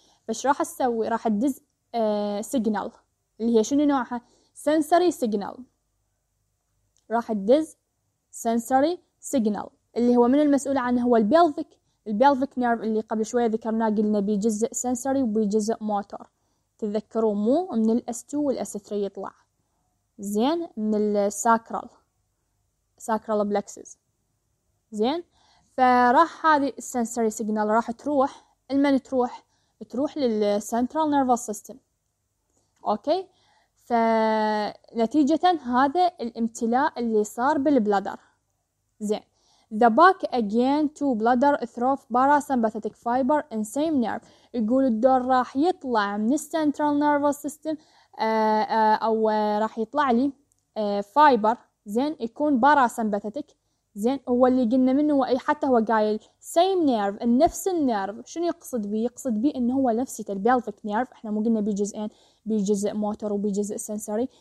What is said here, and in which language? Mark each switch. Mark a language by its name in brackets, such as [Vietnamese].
[Arabic] فش راح أسوي؟ راح أدز سيجنال، اللي هي شنو نوعها؟ سنسوري سيجنال، راح تدز سنسوري سيجنال اللي هو من المسؤول عنه هو البيلفيك نيرف اللي قبل شوية ذكرناه، قلنا بيجزء سنسوري وبيجزء موتور، تذكروا مو من الاس2 والاس3 يطلع، زين، من الساكرال بلكسز، زين. فراح هذه السنسوري سيجنال راح تروح، المن تروح؟ تروح للسنترال نيرفوس سيستم، اوكي. فنتيجه هذا الامتلاء اللي صار بالبلادر، زين. [English] The back again to bladder through parasympathetic fiber and same nerve. [Arabic] يقول الدور راح يطلع من السنترال نيرفوس سيستم او راح يطلع لي فايبر، زين، يكون parasympathetic، زين. هو اللي قلنا منه، واي حتى هو قايل same nerve، نفس النيرف. شنو يقصد بيه؟ يقصد بيه انه هو نفسه البيلفيك نيرف، احنا مو قلنا بجزئين، بجزء موتور وبجزء سنسوري.